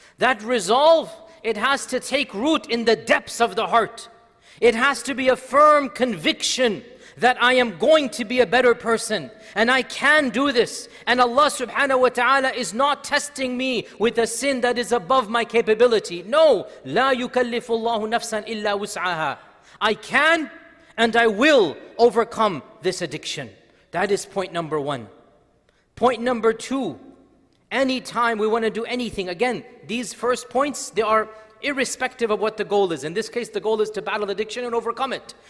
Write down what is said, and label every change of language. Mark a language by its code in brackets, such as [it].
[en] That resolve, it has to take root in the depths of the heart. It has to be a firm conviction that I am going to be a better person, and I can do this, and Allah subhanahu wa ta'ala is not testing me with a sin that is above my capability. [ar] No, لا يكلف الله نفسا إلا وسعها. [en] I can and I will overcome this addiction. That is point number one. Point number two, anytime we want to do anything, again, these first points, they are irrespective of what the goal is. In this case, the goal is to battle addiction and overcome it.